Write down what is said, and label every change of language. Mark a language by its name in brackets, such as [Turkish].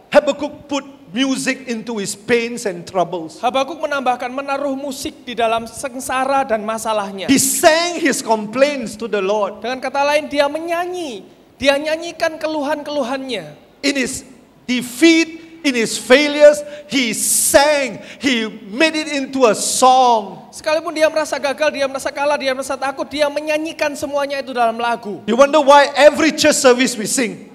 [English] Habakuk put music into his pains and troubles. [Indonesian] Habakuk menambahkan, menaruh musik di dalam sengsara dan masalahnya. [English] He sang his complaints to the Lord. [Indonesian] Dengan kata lain, dia menyanyi. Dia nyanyikan keluhan-keluhannya. [English] In his defeat, in his failures, he sang. He made it into a song. [Indonesian] Sekalipun dia merasa gagal, dia merasa kalah, dia merasa takut, dia menyanyikan semuanya itu dalam lagu. [English] You wonder why every church service we sing?